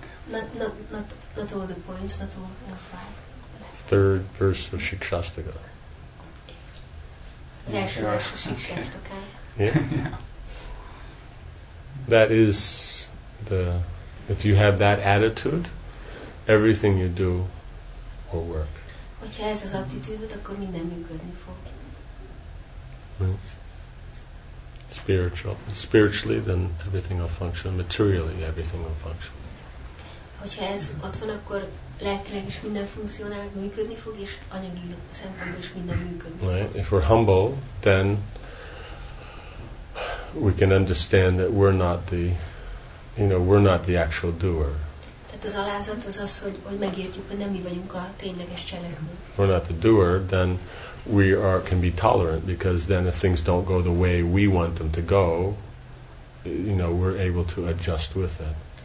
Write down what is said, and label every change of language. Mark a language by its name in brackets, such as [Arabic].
[English] Not all the points, not all the five. Third verse of Shikshastaka. [Hungarian] Az első [English] verse of Shikshastaka. Yeah. That is the... If you have that attitude, everything you do will work. [Hungarian] Hogyha ez az attitűdöd, akkor minden működni fog. [English] Spiritually, then everything will function. Materially, everything will function. [Hungarian] Hogyha ez ott van, akkor lelkileg is minden funkcionál, működni fog, és anyagi szempontból is minden működni fog. [English] Right. If we're humble, then we can understand that we're not the you know, we're not the actual doer. [Hungarian] Tehát az alázat az az, hogy megértjük, hogy nem mi vagyunk a tényleges cselekvő. [English] If we're not the doer, then we are can be tolerant, because then if things don't go the way we want them to go, you know, we're able to adjust with it.